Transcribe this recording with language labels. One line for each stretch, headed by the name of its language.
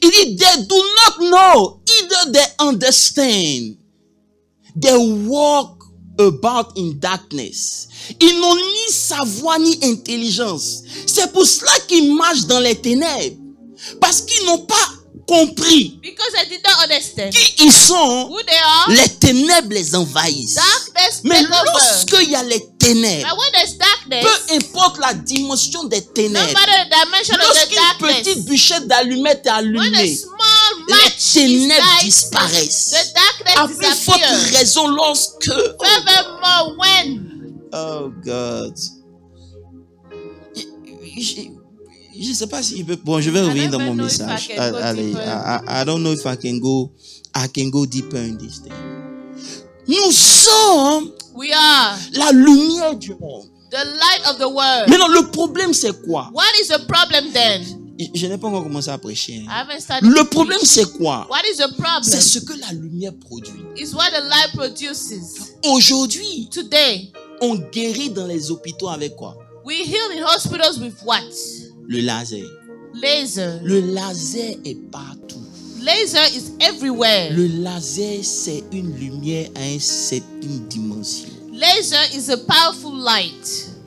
French: Il dit,
English: they do not know, either they understand. They walk about in darkness.
French: Ils n'ont ni savoir ni intelligence. C'est pour cela qu'ils marchent dans les ténèbres. Parce qu'ils n'ont pas compris.
English: Because I did not understand.
French: Qui ils sont.
English: Who they are.
French: Les ténèbres les envahissent.
English: Darkness
French: mais lorsque il y a les ténèbres.
English: But when there's darkness,
French: peu importe la dimension des ténèbres.
English: No matter the dimension
French: lorsque
English: of the darkness,
French: une petite bûchette d'allumette est allumée. Les ténèbres disparaissent.
English: The darkness
French: à plus forte raison lorsque.
English: Furthermore, when. Oh God.
French: je sais pas si il peut. Bon, je vais revenir dans mon message.
English: Allez, I don't know if I can go. I can go deeper in this thing.
French: Nous sommes la lumière du monde.
English: The light of the world.
French: Mais non, le problème c'est quoi?
English: What is the problem then?
French: Je n'ai pas encore commencé à prêcher.
English: I haven't started.
French: Le problème c'est quoi?
English: What is the problem?
French: C'est ce que la lumière produit.
English: It's what the light produces.
French: Aujourd'hui,
English: today,
French: on guérit dans les hôpitaux avec quoi?
English: We heal in hospitals with what?
French: Le laser.
English: Laser.
French: Le laser est partout.
English: Laser is everywhere.
French: Le laser c'est une lumière à une certaine dimension.
English: Laser is a powerful light.